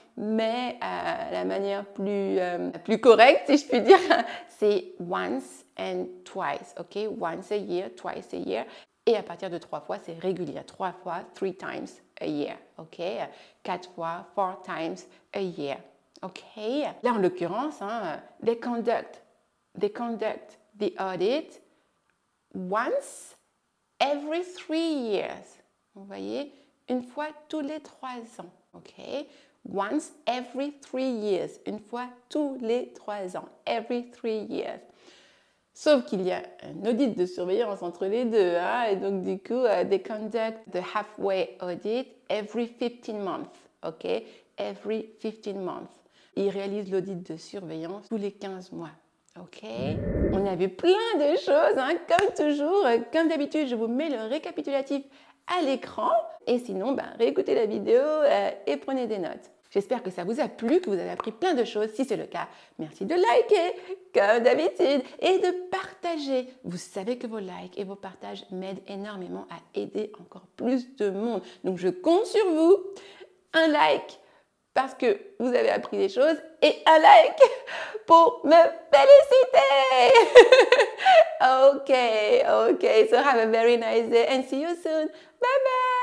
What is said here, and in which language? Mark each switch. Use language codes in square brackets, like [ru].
[fr] Mais la manière plus correcte, si je puis dire, c'est [en] once and twice, [fr] ok? [en] Once a year, twice a year, [fr] et à partir de trois fois, c'est régulier, trois fois, [en] three times a year, [fr] ok? Quatre fois, [en] four times a year, [fr] ok? Là, en l'occurrence, hein, [en] they conduct the audit once every 3 years. [fr] Vous voyez, une fois tous les 3 ans, ok? [en] Once every 3 years, [fr] une fois tous les 3 ans, [en] every 3 years. [fr] Sauf qu'il y a un audit de surveillance entre les deux, hein? Et donc du coup, [en] they conduct the halfway audit every 15 months, ok? Every 15 months. [fr] Ils réalisent l'audit de surveillance tous les 15 mois. OK, on a vu plein de choses, hein? Comme toujours, comme d'habitude, je vous mets le récapitulatif à l'écran, et sinon, ben, réécoutez la vidéo et prenez des notes. J'espère que ça vous a plu, que vous avez appris plein de choses. Si c'est le cas, merci de liker, comme d'habitude, et de partager. Vous savez que vos likes et vos partages m'aident énormément à aider encore plus de monde. Donc, je compte sur vous. Un like parce que vous avez appris des choses, et un like pour me féliciter. [en] Okay, so have a very nice day and see you soon. Bye-bye.